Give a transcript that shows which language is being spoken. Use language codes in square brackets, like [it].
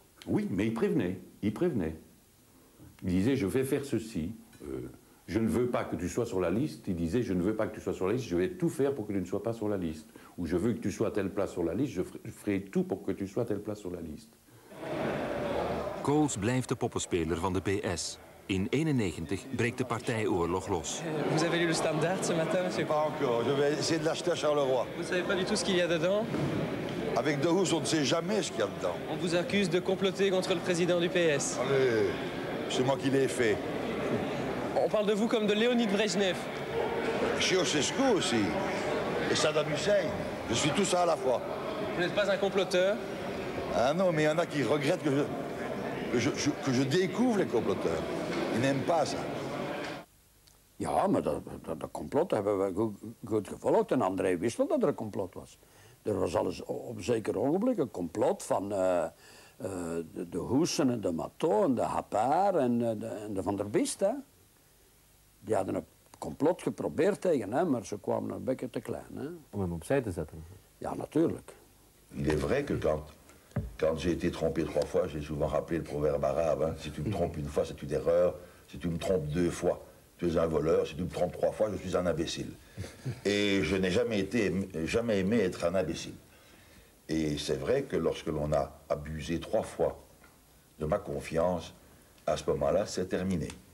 [fr] Oui, mais il prévenait, il prévenait. Il disait, je vais faire ceci. Je ne veux pas que tu sois sur la liste. Il disait, je ne veux pas que tu sois sur la liste, je vais tout faire pour que tu ne sois pas sur la liste. Ou je veux que tu sois à telle place sur la liste, je ferai tout pour que tu sois à telle place sur la liste. [nl] Kools blijft de poppenspeler van de PS. In 91 breekt de partijoorlog los. [fr] Vous avez lu le standaard ce matin, monsieur? Pas encore, je vais essayer de l'acheter à Charleroi. Vous ne savez pas du tout ce qu'il y a dedans? Avec De Hoes, on ne sait jamais ce qu'il y a dedans. On vous accuse de comploter contre le président du PS. Allez, c'est moi qui l'ai fait. On parle de vous comme de Léonid Brejnev. Ceausescu aussi. Et Saddam Hussein. Je suis tout ça à la fois. Vous n'êtes pas un comploteur? Ah non, mais il y en a qui regrettent que je découvre les comploteurs. Ils n'aiment pas ça. [nl] Ja, maar de complot hebben we goed gevolgd. En André wist wel dat er een complot was. Er was alles op zeker ogenblik een complot van de Hoes en de Matteau en de Appart en de Van der Beest. Die hadden een complot geprobeerd tegen hem, maar ze kwamen een beetje te klein. Hè? Om hem opzij te zetten? Ja, natuurlijk. [fr] Il est vrai que quand j'ai été trompé trois fois, j'ai souvent rappelé le proverbe arabe, hein, si tu me trompes une fois, c'est une erreur, si tu me trompes deux fois, tu es un voleur, si tu me trompes trois fois, je suis un imbécile. Et je n'ai jamais aimé être un imbécile. Et c'est vrai que lorsque l'on a abusé trois fois de ma confiance, à ce moment-là, c'est terminé.